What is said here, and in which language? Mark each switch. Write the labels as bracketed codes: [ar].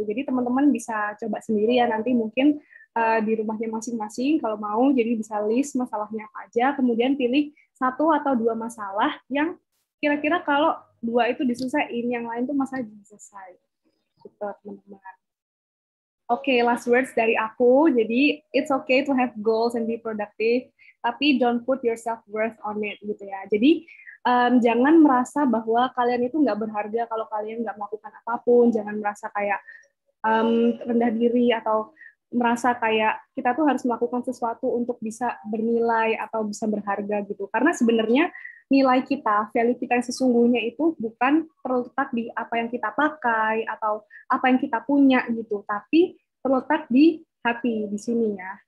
[id] Jadi teman-teman bisa coba sendiri ya nanti mungkin di rumahnya masing-masing kalau mau, jadi bisa list masalahnya apa aja, kemudian pilih satu atau dua masalah yang kira-kira kalau dua itu diselesaikan, yang lain tuh masalah diselesai. Gitu, teman-teman. [en] Okay, last words [id] dari aku. [en] Jadi, it's okay to have goals and be productive, tapi don't put your self-worth on it, gitu ya. [id] Jadi, jangan merasa bahwa kalian itu nggak berharga kalau kalian nggak melakukan apapun. Jangan merasa kayak rendah diri atau merasa kayak kita tuh harus melakukan sesuatu untuk bisa bernilai atau bisa berharga, gitu. Karena sebenarnya nilai kita, value kita yang sesungguhnya itu bukan terletak di apa yang kita pakai atau apa yang kita punya gitu, tapi terletak di hati, di sini ya.